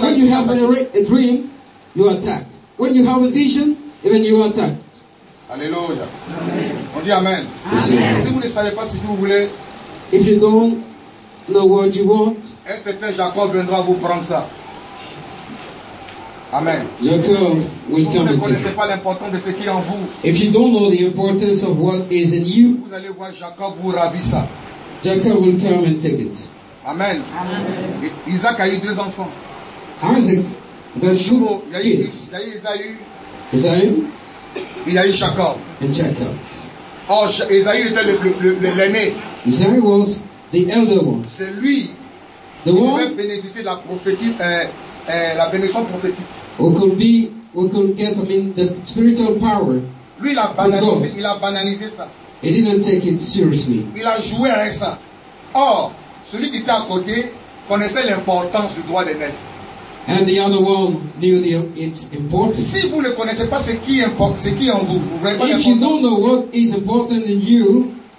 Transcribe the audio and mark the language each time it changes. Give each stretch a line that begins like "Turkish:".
English: when you have a dream, you are attacked. When you have a vision, even you are attacked.
French: Alléluia. On dit amen. Amen. Si vous ne savez pas ce que vous voulez,
English: if you don't know what you want,
French: un certain Jacob viendra vous prendre ça. Amen.
English: Jacob will come.
French: Si vous ne connaissez pas l'importance de ce qui est en vous,
English: if you don't know the importance of what is in you,
French: vous allez voir Jacob vous ravir ça.
English: Jacob will come and take it. Amen. Amen.
French: Isaac a eu 2 enfants. Isaac, il y a eu Esaü. Esaü. Il y a eu Jacob.
English: And Jacob.
French: Oh, Esaü était l'aîné.
English: Esaü was the elder one.
French: C'est lui.
English: The one.
French: Qui bénéficier de la prophétie, la bénédiction prophétique.
English: Who could be, who could get, I mean, the spiritual power.
French: Lui, il a banalisé, il a banalisé ça.
English: He didn't take it seriously.
French: Il a joué à ça. Or, celui qui était à côté connaissait l'importance du droit d'aînesse.
English: And the other one knew the, it's important.
French: Si vous ne connaissez pas ce qui importe, ce qui est en vous, vous pas.
English: If you don't know what is important in you,